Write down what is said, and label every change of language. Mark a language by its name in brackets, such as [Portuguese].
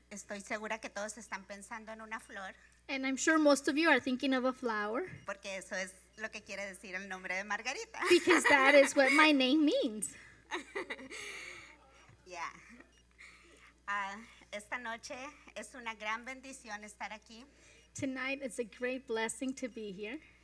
[Spanish] Estoy segura que todos están pensando en una flor. [English] And I'm sure most of you are thinking of a flower. [Spanish] Porque eso es lo que quiere decir el nombre de Margarita. [English] Because that is what my name means. Yeah. [Spanish] Esta noche es una gran bendición estar aquí. [English] Tonight it's a great blessing to be here.